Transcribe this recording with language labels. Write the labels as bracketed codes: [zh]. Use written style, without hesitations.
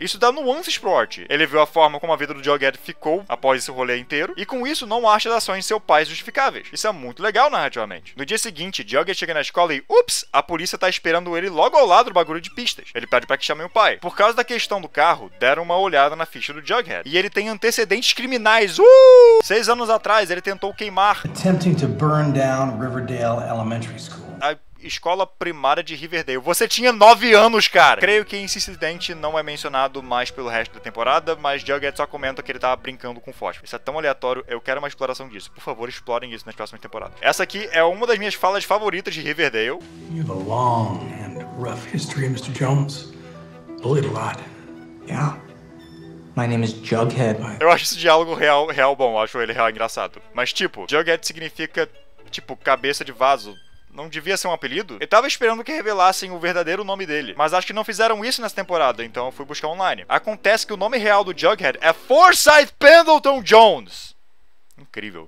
[pt] Isso dá nuances pro Ort. Ele viu a forma como a vida do Jughead ficou após esse rolê inteiro e com isso não acha as ações de seu pai justificáveis. Isso é muito legal narrativamente. No dia seguinte, Jughead chega na escola e, ups, a polícia tá esperando ele logo ao lado do bagulho de pistas. Ele pede pra que chamem o pai. Por causa da questão do carro, deram uma olhada na ficha do Jughead. E ele tem antecedentes criminais. 6 anos atrás, ele tentou queimar... [en] Attempting to burn down Riverdale Elementary School. [pt] Escola primária de Riverdale. Você tinha 9 anos, cara! Creio que esse incidente não é mencionado mais pelo resto da temporada, mas Jughead só comenta que ele tava brincando com fósforo. Isso é tão aleatório, eu quero uma exploração disso. Por favor, explorem isso nas próximas temporadas. Essa aqui é uma das minhas falas favoritas de Riverdale. [en] You have a long and rough history, Mr. Jones. Bullied a lot. Yeah? My name is Jughead. [pt] Eu acho esse diálogo real bom, eu acho ele real engraçado. Mas tipo, Jughead significa, tipo, cabeça de vaso. Não devia ser um apelido? Eu tava esperando que revelassem o verdadeiro nome dele. Mas acho que não fizeram isso nessa temporada, então eu fui buscar online. Acontece que o nome real do Jughead é Forsyth Pendleton Jones! Incrível.